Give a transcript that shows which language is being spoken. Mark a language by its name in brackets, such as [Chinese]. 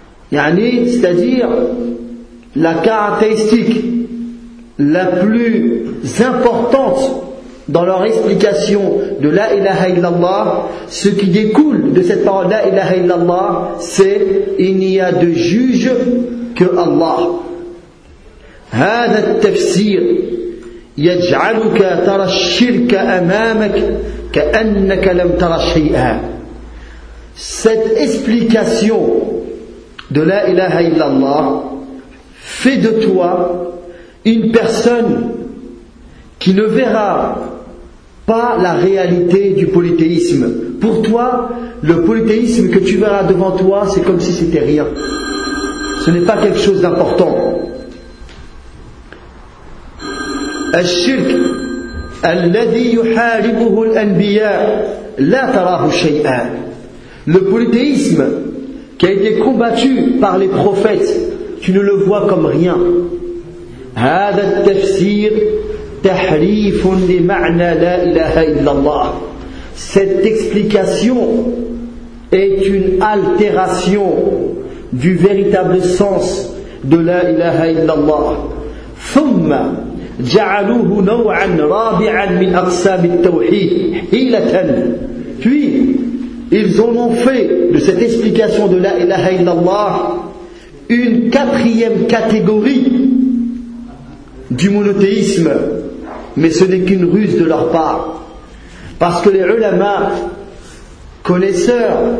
[French] Yani, c'est-à-dire la caractéristique la plus importante dans leur explication de la ilaha illallah, ce qui découle de cette parole la ilaha illallah, c'est il n'y a de juge que Allah. [Arabic] هذا التفسير يجعلك ترى الشرك أمامك كأنك لم ترى شيئا. [French] Cette explication de la ilaha illallah fait de toi une personne qui ne verra pas la réalité du polythéisme. Pour toi, le polythéisme que tu verras devant toi, c'est comme si c'était rien. Ce n'est pas quelque chose d'important. [Arabic] الشرك الذي يحاربه الأنبياء لا تراه شيئا. [French] Le polythéisme qui a été combattu par les prophètes, tu ne le vois comme rien. [Arabic] هذا التفسير تحريف لمعنى لا إله إلا الله. [French] Cette explication est une altération du véritable sens de la إله إلا الله. [Arabic] ثم جعلوه نوعا رابعا من أقسام التوحيد حيلة. [French] Puis ils en ont fait de cette explication de la إله إلا الله une quatrième catégorie du monothéisme, mais ce n'est qu'une ruse de leur part. Parce que les ulama, connaisseurs